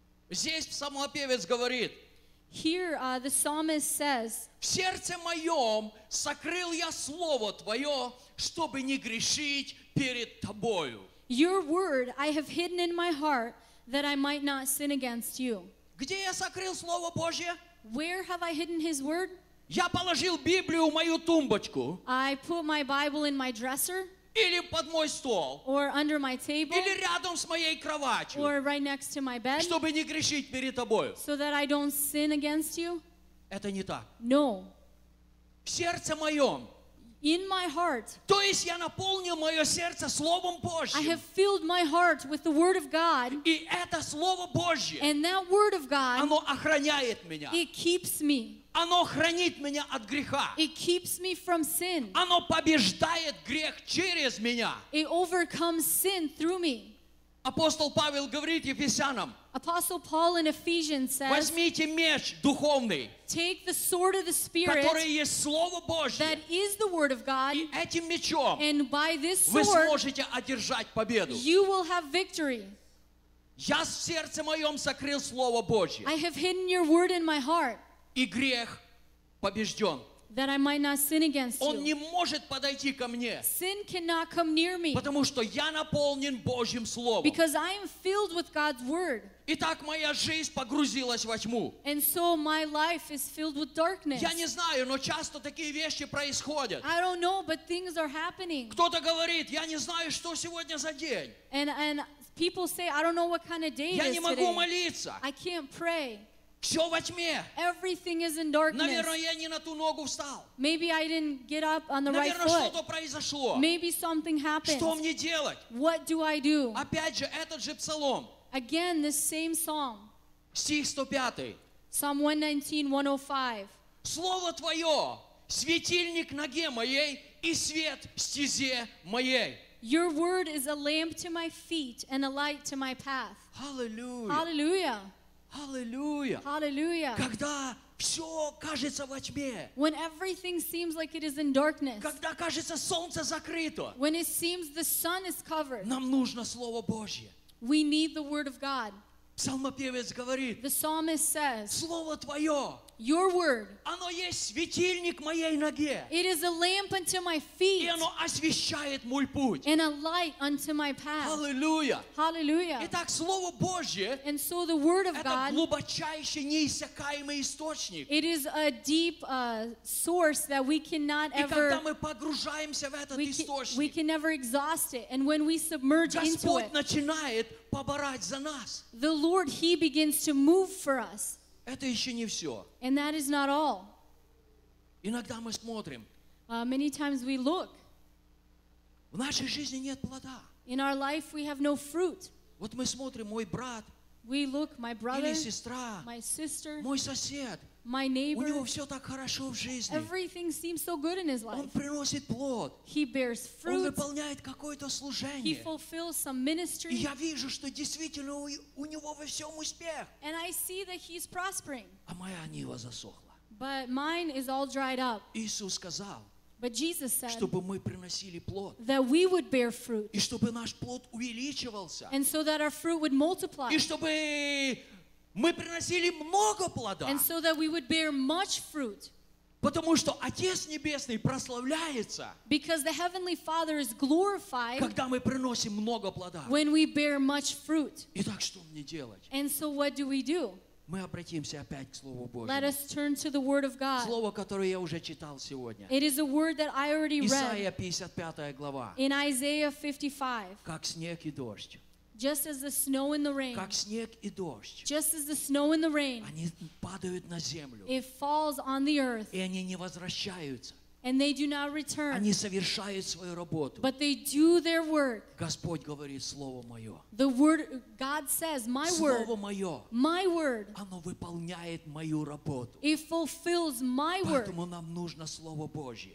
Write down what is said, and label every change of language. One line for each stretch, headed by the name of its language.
Russian: Здесь псалмопевец говорит.
English: Here, the psalmist says.
Russian: В сердце моем сокрыл я слово твое, чтобы не грешить перед тобою.
English: Your word I have hidden in my heart that I might not sin against you.
Russian: Где я сокрыл слово Божье?
English: Where have I hidden his word?
Russian: Я положил Библию в мою тумбочку.
English: I put my Bible in my dresser.
Russian: Или под мой стол.
English: Or under my table.
Russian: Или рядом с моей кроватью.
English: Or right next to my bed.
Russian: Чтобы не грешить перед тобою.
English: So that I don't sin against you.
Russian: Это не так.
English: No.
Russian: В сердце моем.
English: In my heart.
Russian: То есть я наполнил мое сердце Словом Божьим.
English: I have filled my heart with the Word of God.
Russian: И это Слово Божье.
English: And that Word of God.
Russian: Оно охраняет меня.
English: It keeps me.
Russian: Оно хранит меня от греха.
English: It keeps me from sin.
Russian: Оно побеждает грех через меня.
English: It overcomes sin through me.
Russian: Апостол Павел говорит Ефесянам.
English: Apostle Paul in Ephesians says.
Russian: Возьмите меч духовный.
English: Take the sword of the Spirit.
Russian: Который есть Слово Божье.
English: That is the Word of God.
Russian: И этим мечом.
English: And by this sword.
Russian: Вы сможете одержать победу.
English: You will have victory.
Russian: Я в сердце моем сокрыл Слово Божье.
English: I have hidden your word in my heart.
Russian: И грех побежден.
English: That I might not sin against
Russian: Он
English: you.
Russian: Не может подойти ко мне.
English: Sin cannot come near me.
Russian: Потому что я наполнен Божьим Словом.
English: Because I am filled with God's word.
Russian: Итак, моя жизнь погрузилась во тьму.
English: And so my life is filled with darkness.
Russian: Я не знаю, но часто такие вещи происходят.
English: I don't know, but things are happening.
Russian: Кто-то говорит, я не знаю, что сегодня за день.
English: And people say, I don't know what kind of day
Russian: я
English: it is
Russian: не могу
English: today.
Russian: Молиться.
English: I can't pray.
Russian: Все во тьме.
English: Everything is in darkness.
Russian: Наверное, я не на ту ногу встал.
English: Maybe I didn't get up on the right foot.
Russian: Наверное, что-то произошло.
English: Maybe something happened.
Russian: Что мне делать?
English: What do I do?
Russian: Опять же, этот же псалом.
English: Again, this same psalm.
Russian: Стих 105.
English: Psalm 119, 105.
Russian: Слово Твое, светильник ноге моей и свет стезе моей.
English: Your word is a lamp to my feet and a light to my path. Hallelujah. Hallelujah. Hallelujah. Hallelujah.
Russian: Когда все кажется во тьме.
English: When everything seems like it is in darkness.
Russian: Когда кажется солнце закрыто.
English: When it seems the sun is covered.
Russian: Нам нужно Слово Божье.
English: We need the Word of God.
Russian: Псалмопевец говорит.
English: The psalmist says.
Russian: Слово Твое.
English: Your word.
Russian: Оно есть светильник моей ноге.
English: It is a lamp unto my feet.
Russian: И оно освещает мой путь.
English: And a light unto my path. Hallelujah. Hallelujah.
Russian: Итак, Слово Божье.
English: And so the word of
Russian: это
English: God.
Russian: Это глубочайший, неиссякаемый источник.
English: It is a deep source that we cannot ever.
Russian: И когда мы погружаемся в этот источник.
English: We can never exhaust it. And when we submerge
Russian: Господь
English: into it.
Russian: Господь начинает поборать за нас.
English: The Lord, he begins to move for us.
Russian: Это еще не все.
English: And that is not all.
Russian: Иногда мы смотрим.
English: Many times we look.
Russian: В нашей жизни нет плода.
English: In our life we have no fruit.
Russian: Вот мы смотрим, мой брат,
English: we look, my brother,
Russian: или сестра,
English: my sister,
Russian: мой сосед,
English: my neighbor,
Russian: у него все так хорошо в жизни.
English: Everything seems so good in his life.
Russian: Он приносит плод.
English: He bears fruit.
Russian: Он выполняет какое-то служение.
English: He fulfills some ministry.
Russian: И я вижу, что действительно у него во всем успех.
English: And I see that he's prospering.
Russian: А моя нива засохла.
English: But mine is all dried up.
Russian: Иисус сказал,
English: but Jesus said,
Russian: чтобы мы приносили плод,
English: that we would bear fruit,
Russian: и чтобы наш плод увеличивался,
English: and so that our fruit would multiply,
Russian: и чтобы мы приносили много плода,
English: and so that we would bear much fruit,
Russian: потому что Отец Небесный прославляется,
English: because the Heavenly Father is glorified,
Russian: когда мы приносим много плода,
English: when we bear much fruit.
Russian: Итак, что мне делать?
English: And so what do we do?
Russian: Мы обратимся опять к Слову Божьему.
English: Let us turn to the Word of God.
Russian: Слово, которое я уже читал сегодня.
English: It is a word that I already read.
Russian: Исаия 55 глава.
English: In Isaiah 55.
Russian: Как снег и дождь.
English: Just as the snow and the rain.
Russian: Как снег и дождь.
English: Just as the snow and the rain.
Russian: Они падают на землю.
English: It falls on the earth.
Russian: И они не возвращаются.
English: And they do not return.
Russian: Они совершают свою работу.
English: But they do their work.
Russian: Господь говорит слово мое.
English: The word God says, my word.
Russian: Слово мое.
English: My word.
Russian: Оно выполняет мою работу.
English: It fulfills my work.
Russian: Поэтому нам нужно слово Божье.